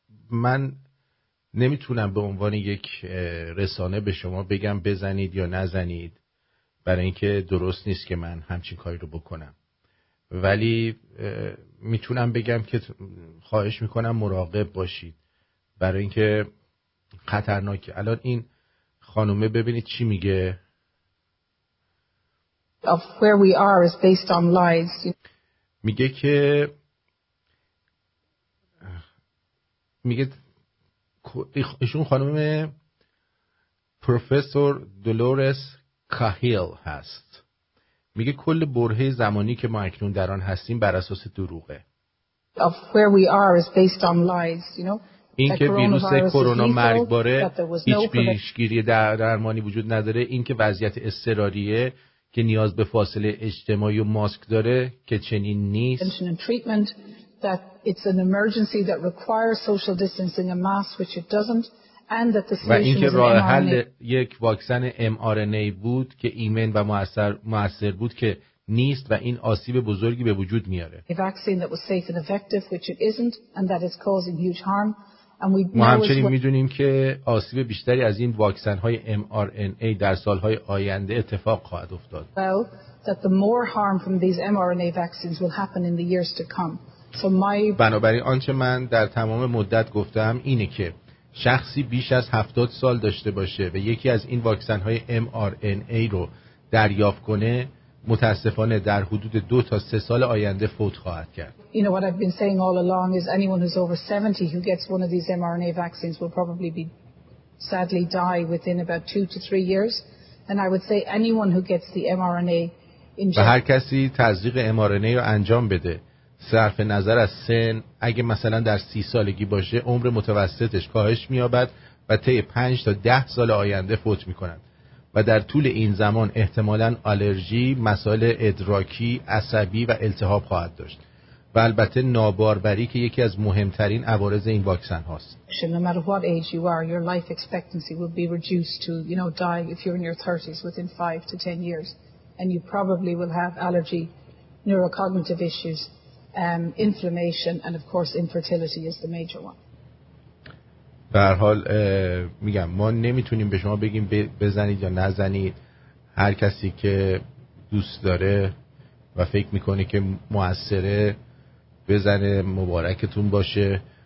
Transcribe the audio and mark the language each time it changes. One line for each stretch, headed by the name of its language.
Persian: من نمیتونم به عنوان یک رسانه به شما بگم بزنید یا نزنید، برای اینکه درست نیست که من همچین کاری رو بکنم، ولی میتونم بگم که خواهش میکنم مراقب باشید برای اینکه خطرناکه. الان این خانومه ببینید چی میگه.
English: Of where we are is based on lies.
Persian: میگه که میگه ایشون خانم پروفسور دولورس کاهیل هست. میگه کل برهه زمانی که ما اکنون در آن هستیم بر اساس دروغه.
English: Of where we are is based on lies, you know.
Persian: این که ویروس کرونا مرگباره، هیچ پیشگیری درمانی وجود نداره، این که وضعیت اضطراریه که نیاز به فاصله اجتماعی و ماسک داره که چنین نیست.
English: That it's an emergency that requires social distancing and masks, which it doesn't. And that the solution is mRNA.
Persian: راه حل یک واکسن mRNA بود که ایمن و مؤثر بود که نیست و این آسیب بزرگی به وجود میاره.
English: A vaccine that was safe and effective, which it isn't, and that is causing huge harm. And
Persian: we ما همچنین میدونیم که آسیب بیشتری از این واکسن‌های mRNA در سال‌های آینده اتفاق خواهد افتاد.
English: Well, that the more harm from these mRNA vaccines will happen in the years to come.
Persian: بنابراین آنچه من در تمام مدت گفتم اینه که شخصی بیش از 70 سال داشته باشه و یکی از این واکسن‌های mRNA رو دریافت کنه، متاسفانه در حدود 2 تا 3 سال آینده فوت خواهد کرد.
English: You know what I've been saying all along is anyone who's over 70 who gets one of these mRNA vaccines will probably be sadly die within about 2 to 3 years. And I would say anyone who gets the mRNA injection.
Persian: و هر کسی تزریق mRNA رو انجام بده، صرف نظر از سن، اگه مثلا در 30 سالگی باشه، عمر متوسطش کاهش می‌یابد و طی 5 تا 10 سال آینده فوت می‌کند و در طول این زمان احتمالاً آلرژی، مسائل ادراکی، عصبی و التهاب خواهد داشت و البته ناباروری که یکی از مهمترین عوارض این واکسن هاست.
English: No matter what age you are, your life expectancy will be reduced to, you know, die if you're in your 30s within 5 to 10 years and you probably will have allergy, neurocognitive issues. Inflammation and of course infertility is the major one.
Persian: به هر حال میگم ما نمیتونیم به شما بگیم بزنید یا نزنید. هر کسی که دوست داره و فکر میکنه که مؤثره بزنه، مبارکتون باشه.